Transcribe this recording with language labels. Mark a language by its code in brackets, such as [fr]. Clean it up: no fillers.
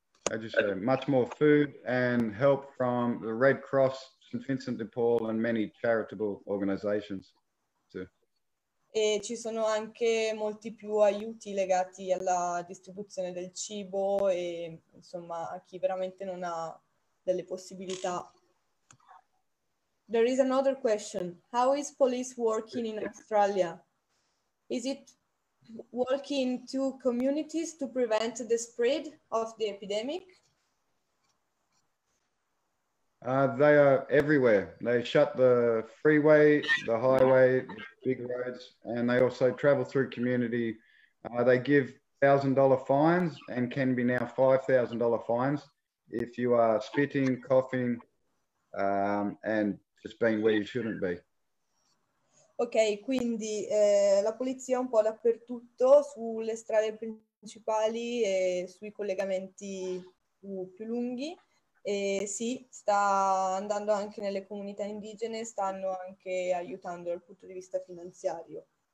[en] As you said, much more food and help from the Red Cross, St. Vincent de Paul, and many charitable organizations too. [it] E ci sono anche molti più aiuti legati alla distribuzione del cibo e insomma a chi veramente non ha delle possibilità. [en] There is another question. How is police working in Australia? Is it working to communities to prevent the spread of the epidemic? They are everywhere. They shut the freeway, the highway, big roads, and they also travel through community. They give $1,000 fines and can be now $5,000 fines if you are spitting, coughing, and just being where you shouldn't be. [it] Ok, quindi la polizia è un po' dappertutto, sulle strade principali e sui collegamenti più lunghi. E sì, sta andando anche nelle comunità indigene, stanno anche aiutando dal punto di vista finanziario.